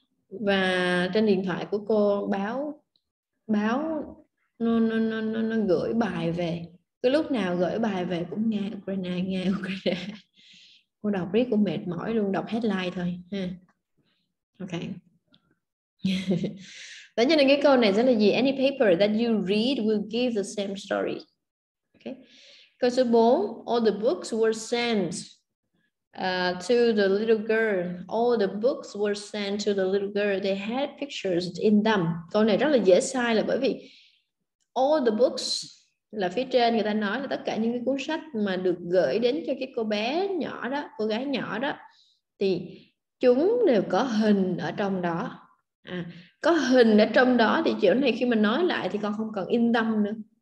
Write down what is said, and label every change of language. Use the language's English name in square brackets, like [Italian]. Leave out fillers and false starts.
[Vietnamese] Và trên điện thoại của cô báo nó gửi bài về. Cái lúc nào gửi bài về cũng Nga Ukraine, Nga Ukraine. Cô đọc riết cũng mệt mỏi luôn, đọc headline thôi ha. Ok. Tại cho nên cái câu này rất là gì? [English] Any paper that you read will give the same story. Okay. [Vietnamese] Câu số 4, [English] all the books were sent to the little girl. All the books were sent to the little girl. They had pictures in them. [Vietnamese] Câu này rất là dễ sai là bởi vì [English] all the books [Vietnamese] là phía trên người ta nói là tất cả những cái cuốn sách mà được gửi đến cho cái cô bé nhỏ đó, cô gái nhỏ đó, thì chúng đều có hình ở trong đó. À, có hình ở trong đó thì chỗ này khi mà nói lại thì con không cần [English] in them [Vietnamese] nữa.